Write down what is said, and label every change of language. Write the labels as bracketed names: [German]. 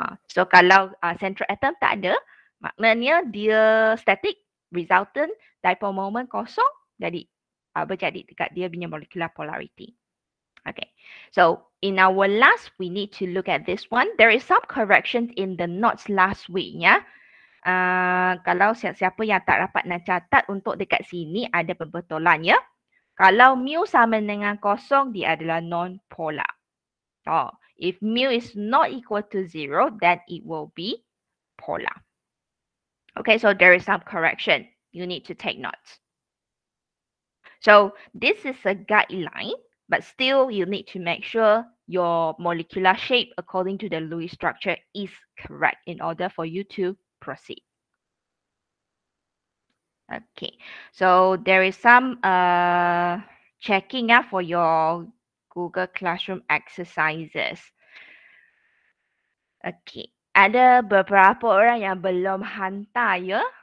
[Malay] So, kalau central atom tak ada, maknanya dia static, resultant, dipole moment kosong. Jadi, berjadi dekat dia punya molecular polarity. Okay. [English] So, in our last, we need to look at this one. There is some correction in the notes last week, ya. Yeah? [Malay] Kalau siapa yang tak dapat nak catat untuk dekat sini ada pembetulan ya. Kalau mu sama dengan kosong, dia adalah non-polar. [English] If mu is not equal to zero, then it will be polar. Okay, so there is some correction. You need to take notes. So this is a guideline, but still you need to make sure your molecular shape according to the Lewis structure is correct in order for you to proceed. Okay, so there is some checking out for your Google Classroom exercises. [Malay] Okay, ada beberapa orang yang belum hantar ya.